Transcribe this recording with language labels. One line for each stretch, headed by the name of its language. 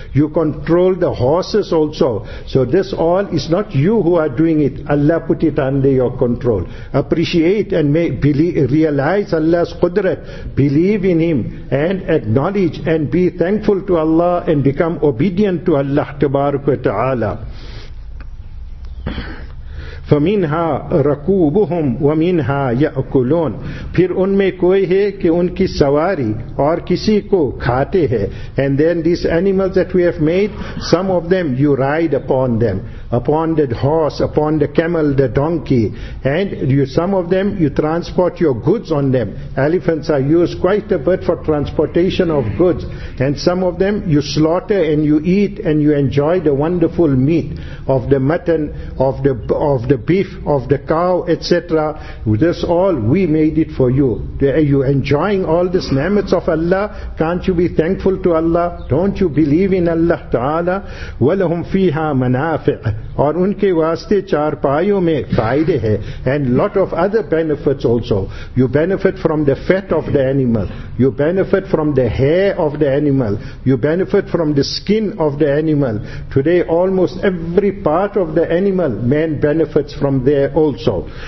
English: You control the horses also. So this all is not you who are doing it. Allah put it under your control. Appreciate and realize Allah's qudrat. Believe in Him and acknowledge and be thankful to Allah and become obedient to Allah tabaraka ta'ala.
Arabic: فمنها ركوبهم ومنها يأكلون.
Urdu: پھر ان میں کوئی ہے کہ ان کی سواری اور کسی کو کھاتے ہیں.
English: And then these animals that we have made, some of them you ride upon them, upon the horse, upon the camel, the donkey, and you, some of them you transport your goods on them. Elephants are used quite a bit for transportation of goods, and some of them you slaughter and you eat and you enjoy the wonderful meat of the mutton, of the beef, of the cow, etc. This all we made it for you. Are you enjoying all this ni'mat of Allah? Can't you be thankful to Allah? Don't you believe in Allah Ta'ala?
Arabic: وَلَهُمْ فِيهَا مَنَافِعَ.
Urdu: اور ان کے واسطے چار پائیوں میں فائدے ہیں.
English: And lot of other benefits also. You benefit from the fat of the animal. You benefit from the hair of the animal. You benefit from the skin of the animal. Today almost every part of the animal, man benefits from there also.